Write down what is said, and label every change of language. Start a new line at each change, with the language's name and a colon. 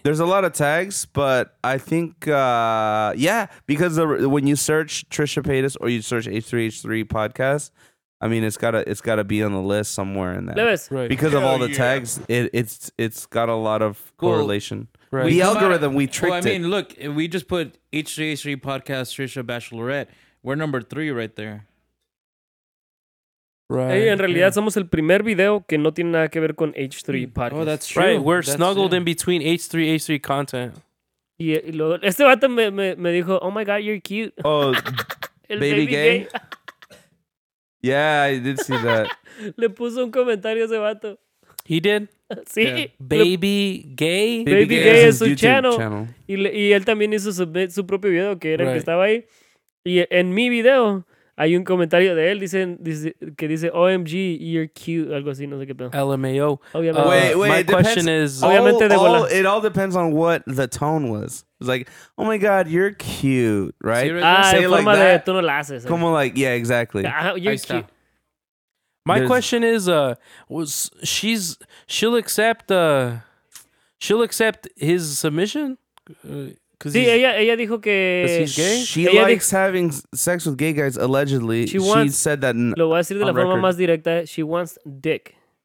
English: There's a lot of tags, but I think, because when you search Trisha Paytas or you search H3H3 podcast, I mean, it's gotta be on the list somewhere in that. Lewis. Right. Because of all the tags, it's got a lot of correlation. Cool. Right. The algorithm, we tricked it. Well, I mean, look, if we just put H3H3 podcast Trisha Bachelorette, we're number 3 right there. Right.
Spanish: Hey, en realidad somos el primer video que no tiene nada que ver con H3 podcast.
English: Oh, that's true. Right, we're snuggled in between H3 content. Yeah,
Spanish: y luego este vato me dijo,
English: "Oh my god, you're cute." Oh, baby gay. Yeah, I did see that.
Spanish: Le puso un comentario ese vato.
English: He did?
Spanish: Sí.
English: Yeah. Baby gay
Spanish: es su channel. Y él también hizo su propio video que era el que estaba ahí. Y en mi video hay un comentario de él que dice
English: OMG, you're cute,
Spanish: algo así, no sé qué pedo.
English: LMAO. It all depends on what the tone was. It's like, oh my god, you're cute, right? Say like forma that,
Spanish: de tú no la haces.
English: Como like, yeah, exactly. You're cute. Question is, she'll accept his submission?
Spanish: Ella dijo que
English: having sex with gay guys, allegedly. She said that.
Spanish: Lo voy a decir de la forma más directa.
English: She wants dick.